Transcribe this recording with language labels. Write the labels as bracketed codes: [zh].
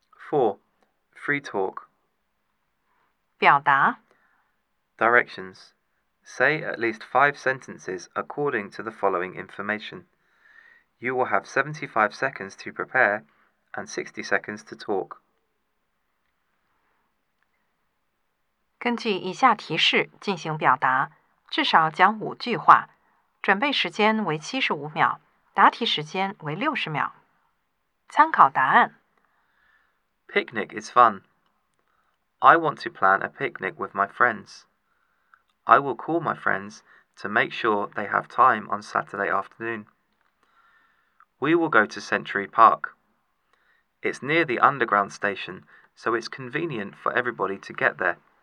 [en] 4. Free talk. [zh] 表达 [en] Directions. Say at least 5 sentences according to the following information. You will have 75 seconds to prepare and 60 seconds to talk. [zh] 根据以下提示进行表达，至少讲5句话，准备时间为75秒，答题时间为60秒。参考答案。 [en] Picnic is fun. I want to plan a picnic with my friends. I will call my friends to make sure they have time on Saturday afternoon. We will go to Century Park. It's near the underground station, so it's convenient for everybody to get there.